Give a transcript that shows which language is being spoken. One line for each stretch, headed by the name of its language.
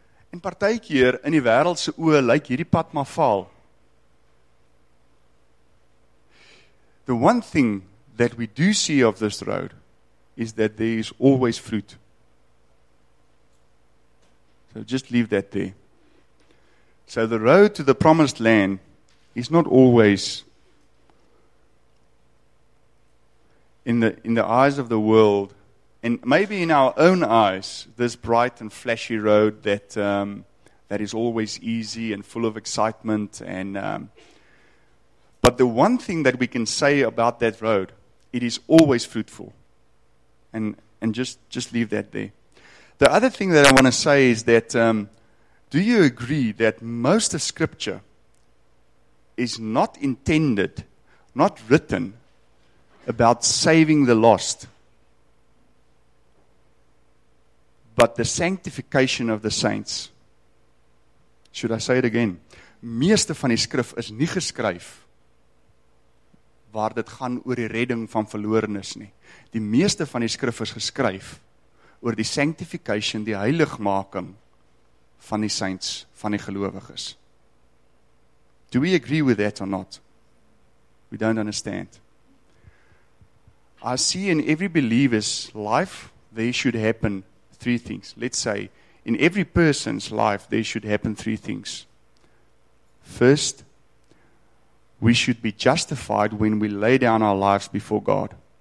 Afrikaans: En partykeer in die wêreldse oë lyk hierdie pad maar vaal.
English: The one thing that we do see of this road is that there is always fruit. So just leave that there. So the road to the promised land is not always in the eyes of the world, and maybe in our own eyes, this bright and flashy road that is always easy and full of excitement. And but the one thing that we can say about that road, it is always fruitful. And just leave that there. The other thing that I want to say is that do you agree that most of Scripture is not intended, not written, about saving the lost, but the sanctification of the saints? Should I say it again?
Afrikaans: Meeste van die skrif is nie geskryf waar dit gaan oor die redding van verlorenes nie. Die meeste van die skrif is geskryf oor die sanctification, die heiligmaking van die saints, van die gelowiges.
English: Do we agree with that or not? We don't understand. I see in every believer's life, there should happen three things. Let's say, in every person's life, there should happen three things. First, we should be justified when we lay down our lives before God.